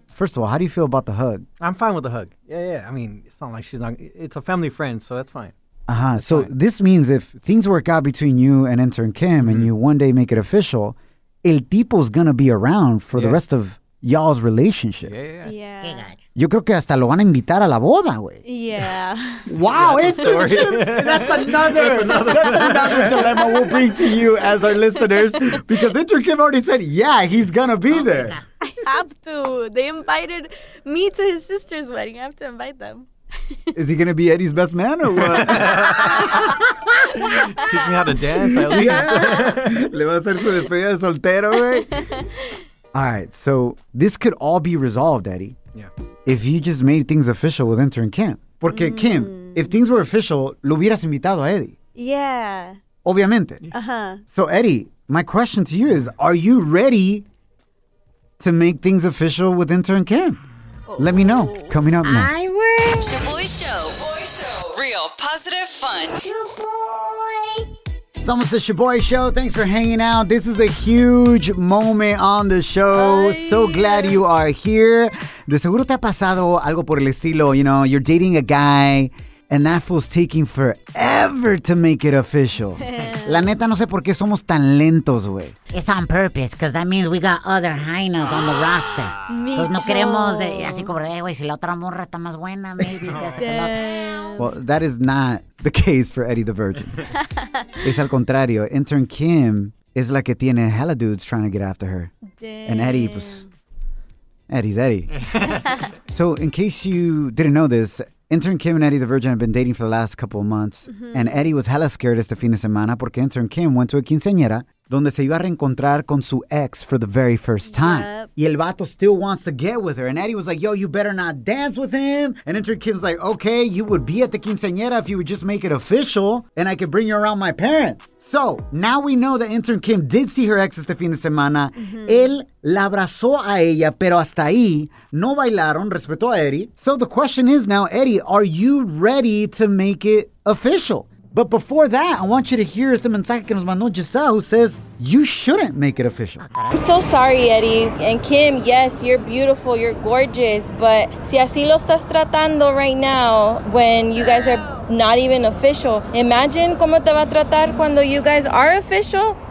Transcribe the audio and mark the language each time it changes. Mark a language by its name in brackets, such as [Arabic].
[English] First of all, how do you feel about the hug? I'm fine with the hug. Yeah. I mean, it's not like she's not... It's a family friend, so that's fine. Uh-huh. So this means if things work out between you and intern Kim and you one day make it official, el tipo's gonna be around for the rest of y'all's relationship. Yeah. [Spanish] Yo creo que hasta lo van a invitar a la boda, güey. [English] Yeah. Wow, intern Kim! That's another dilemma we'll bring to you as our listeners because intern Kim already said, yeah, he's gonna be there. I have to. They invited me to his sister's wedding. I have to invite them. Is he going to be Eddie's best man or what? Teach me how to dance, at least. [Spanish] Le va a hacer su despedida de soltero, güey. [English] All right, so this could all be resolved, Eddie. Yeah. If you just made things official with intern Kim. [Spanish] Porque, Kim, [English] if things were official, [Spanish] lo hubieras invitado a Eddie. [English] Yeah. [Spanish] Obviamente. Uh-huh. [English] So, Eddie, my question to you is, are you ready to make things official with intern Kim? Let me know. Coming up next. I will. Shaboy Show. Shaboy Show. Real positive fun. Shaboy. It's almost the Shaboy Show. Thanks for hanging out. This is a huge moment on the show. Bye. So glad you are here. [Spanish] De seguro te ha pasado algo por el estilo. [English] You know, you're dating a guy and that fool's taking forever to make it official. Damn. [Spanish] La neta, no sé por qué somos tan lentos, güey. [English] It's on purpose, because that means we got other hyenas on the roster. [Spanish] Entonces no queremos, de, así como, güey, si la otra morra está más buena, [English] maybe. [Spanish] No. [English] Well, that is not the case for Eddie the Virgin. [Spanish] Es al contrario. Intern Kim es la que tiene [English] hella dudes trying to get after her. Damn. And Eddie, [Spanish] pues, [English] Eddie's Eddie. So in case you didn't know this, intern Kim and Eddie the Virgin have been dating for the last couple of months. Mm-hmm. And Eddie was hella scared [Spanish] este fin de semana porque [English] intern Kim went to a quinceañera [Spanish] donde se iba a reencontrar con su ex [English] for the very first time. Yep. [Spanish] Y el vato [English] still wants to get with her. And Eddie was like, yo, you better not dance with him. And intern Kim's like, okay, you would be at the quinceañera if you would just make it official and I could bring you around my parents. So now we know that intern Kim did see her ex [Spanish] este fin de semana. Mm-hmm. Él la abrazó a ella, pero hasta ahí no bailaron, respetó a Eddie. [English] So the question is now, Eddie, are you ready to make it official? But before that, I want you to hear [Spanish] este mensaje que nos mandó [English] Giselle, who says, you shouldn't make it official. I'm so sorry, Eddie. And Kim, yes, you're beautiful, you're gorgeous, but [Spanish] si así lo estás tratando [English] right now, when you guys are not even official, imagine [Spanish] cómo te va a tratar cuando [English] you guys are official.